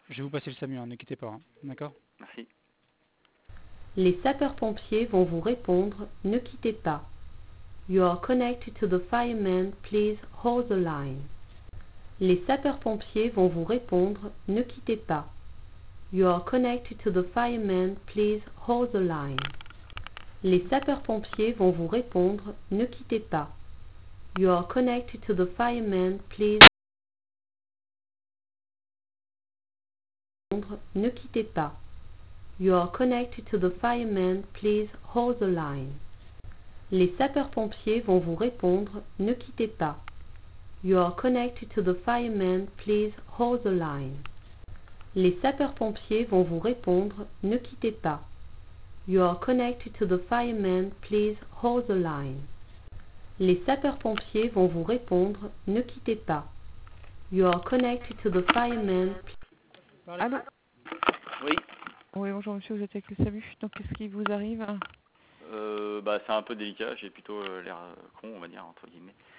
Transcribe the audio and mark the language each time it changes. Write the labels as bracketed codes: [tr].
[fr] Je vais vous passer le samedi, hein, ne quittez pas. Hein. D'accord? Merci. Les sapeurs-pompiers vont vous répondre, ne quittez pas. [en] You are connected to the firemen, please hold the line. [fr] Les sapeurs-pompiers vont vous répondre, ne quittez pas. [en] You are connected to the firemen, please hold the line. [fr] Les sapeurs-pompiers vont vous répondre, ne quittez pas. [en] You are connected to the firemen, please. [fr] Ne quittez pas. [en] You are connected to the firemen, please hold the line. [fr] Les sapeurs-pompiers vont vous répondre, ne quittez pas. [en] You are connected to the firemen, please hold the line. [fr] Les sapeurs-pompiers vont vous répondre, ne quittez pas. [en] You are connected to the firemen, please hold the line. [fr] Les sapeurs-pompiers vont vous répondre, ne quittez pas. [en] You are connected to the firemen. [fr] Allô? Oui. Oui, bonjour monsieur, vous êtes avec le SAMU. Donc, qu'est-ce qui vous arrive? C'est un peu délicat, j'ai plutôt l'air con, on va dire, entre guillemets.